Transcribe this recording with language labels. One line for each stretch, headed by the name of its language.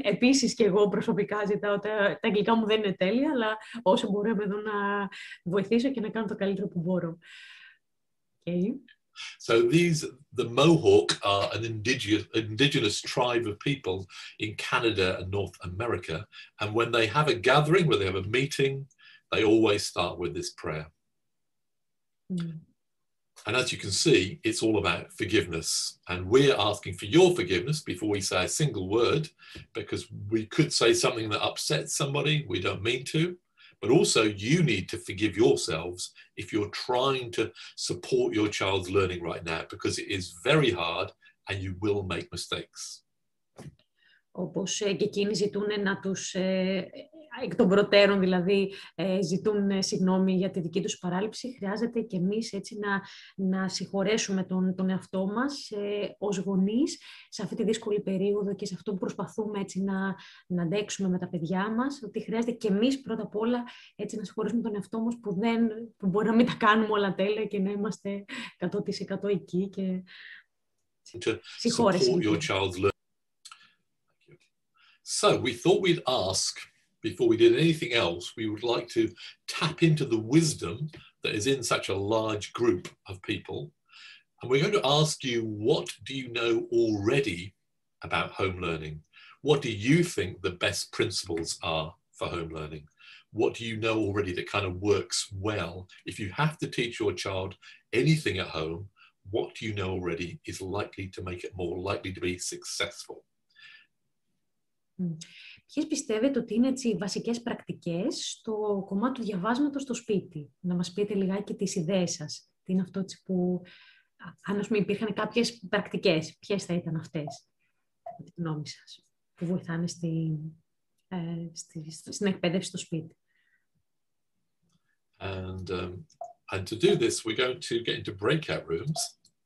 Greek: Επίσης και εγώ προσωπικά ζητάω, τα αγγλικά μου δεν είναι τέλεια, αλλά όσο μπορώ εδώ να βοηθήσω και να κάνω το καλύτερο που μπορώ.
English: Okay. So the Mohawk are an indigenous tribe of people in Canada and North America. And when they have a gathering, when they have a meeting, they always start with this prayer. Mm. And as you can see, it's all about forgiveness. And we're asking for your forgiveness before we say a single word, because we could say something that upsets somebody. We don't mean to. But also, you need to forgive yourselves if you're trying to support your child's learning right now, because it is very hard and you will make mistakes.
Greek: Όπως και εκείνοι ζητούν να τους, εκ των προτέρων δηλαδή, ζητούν συγγνώμη για τη δική τους παράληψη, χρειάζεται και εμείς έτσι να συγχωρέσουμε τον εαυτό μας ως γονείς σε αυτή τη δύσκολη περίοδο και σε αυτό που προσπαθούμε έτσι να αντέξουμε με τα παιδιά μας, ότι χρειάζεται και εμείς πρώτα απ' όλα έτσι να συγχωρέσουμε τον εαυτό μας που μπορεί να μην τα κάνουμε όλα τέλεια και να είμαστε 100% εκεί και συγχώρεση.
English: So we thought we'd ask, before we did anything else, we would like to tap into the wisdom that is in such a large group of people. And we're going to ask you, what do you know already about home learning? What do you think the best principles are for home learning? What do you know already that kind of works well? If you have to teach your child anything at home, what do you know already is likely to make it more likely to be successful?
Greek: Ποιες πιστεύετε ότι είναι έτσι οι βασικές πρακτικές στο κομμάτι του διαβάσματος στο σπίτι? Να μας πείτε λιγάκι τις ιδέες σας. Τι είναι αυτό που, αν ας πούμε, υπήρχαν κάποιες πρακτικές, ποιες θα ήταν αυτές, από τη γνώμη σας, που βοηθάνε στην εκπαίδευση στο σπίτι?
English: And to do this, we're going to get into breakout rooms.